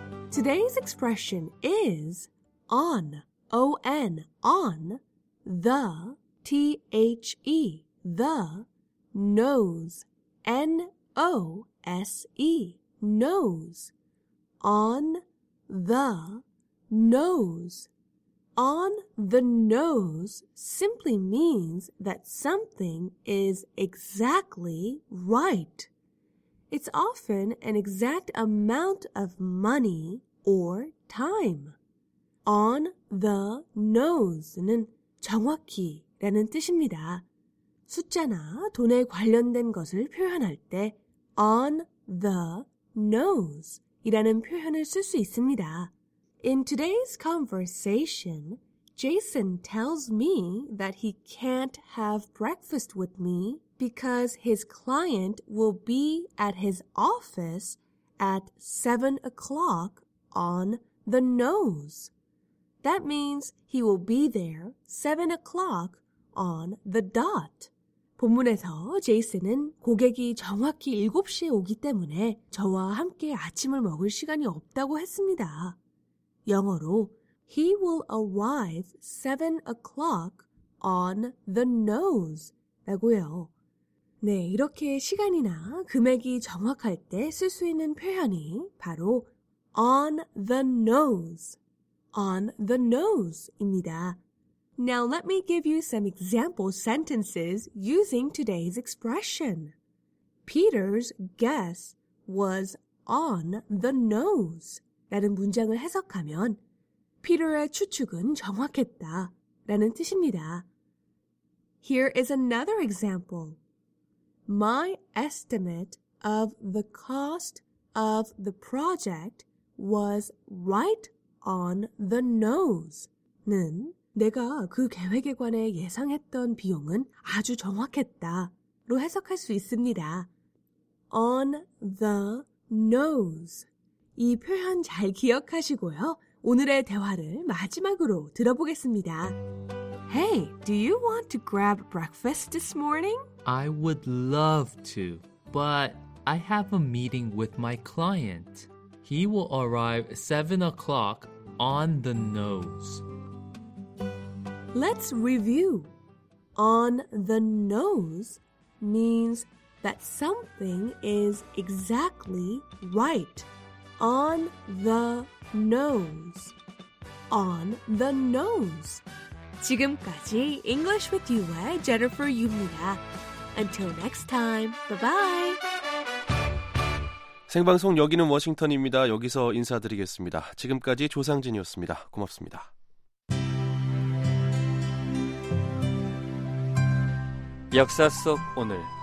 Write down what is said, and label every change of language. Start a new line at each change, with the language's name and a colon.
English: Today's expression is on, O-N, on, the, T-H-E, the, nose, N-O-S-E, nose, on the nose. On the nose simply means that something is exactly right. It's often an exact amount of money or time. On the nose
Korean: 는 정확히 라는 뜻입니다. 숫자나 돈에 관련된 것을 표현할 때
English: on the nose
Korean: 이라는 표현을 쓸 수 있습니다.
English: In today's conversation, Jason tells me that he can't have breakfast with me because his client will be at his office at 7 o'clock on the nose. That means he will be there 7 o'clock on the dot.
Korean: 본문에서 제이슨은 고객이 정확히 7시에 오기 때문에 저와 함께 아침을 먹을 시간이 없다고 했습니다. 영어로
English: He will arrive 7 o'clock on the nose
Korean: 라고요. 네, 이렇게 시간이나 금액이 정확할 때 쓸 수 있는 표현이 바로
English: on the nose, on the nose
Korean: 입니다.
English: Now let me give you some example sentences using today's expression. Peter's guess was on the nose
Korean: 라는 문장을 해석하면 Peter의 추측은 정확했다 라는 뜻입니다.
English: Here is another example. My estimate of the cost of the project was right on the nose
Korean: 는 내가 그 계획에 관해 예상했던 비용은 아주 정확했다 로 해석할 수 있습니다.
English: On the nose
Korean: 이 표현 잘 기억하시고요. 오늘의 대화를 마지막으로 들어보겠습니다.
English: Hey, do you want to grab breakfast this morning? I would love to, but I have a meeting with my client. He will arrive 7 o'clock on the nose. Let's review. On the nose means that something is exactly right. On the nose. On the nose.
Korean: 지금까지 English with You의 Jennifer Yu입니다.
English: Until next time, bye-bye.
Korean: 생방송 여기는 워싱턴입니다. 여기서 인사드리겠습니다. 지금까지 조상진이었습니다. 고맙습니다. Yaksa sok onul.